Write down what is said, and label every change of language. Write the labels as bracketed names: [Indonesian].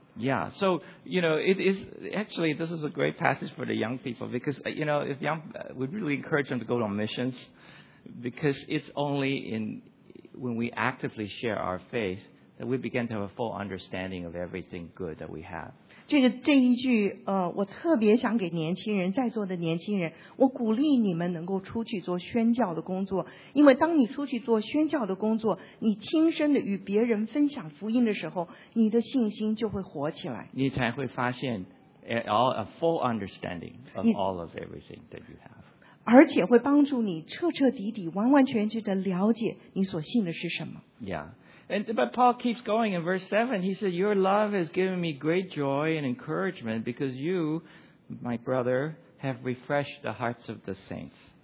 [English] Yeah, so, you know, it is, actually, this is a great passage for the young people because, you know, if young, we really encourage them to go on missions. Because it's only when we actively share our faith that we begin to have a full understanding of everything good that we have. [Chinese] 这个这一句，我特别想给年轻人，在座的年轻人，我鼓励你们能够出去做宣教的工作，因为当你出去做宣教的工作，你亲身的与别人分享福音的时候，你的信心就会活起来。你才会发现 [English] a full understanding of all of everything that you have. [Chinese] 而且会帮助你彻彻底底、完完全全的了解你所信的是什么。 [English] Yeah, and but Paul keeps going in verse 7. He said, "Your love has given me great joy and encouragement because you, my brother, have refreshed the hearts of the saints."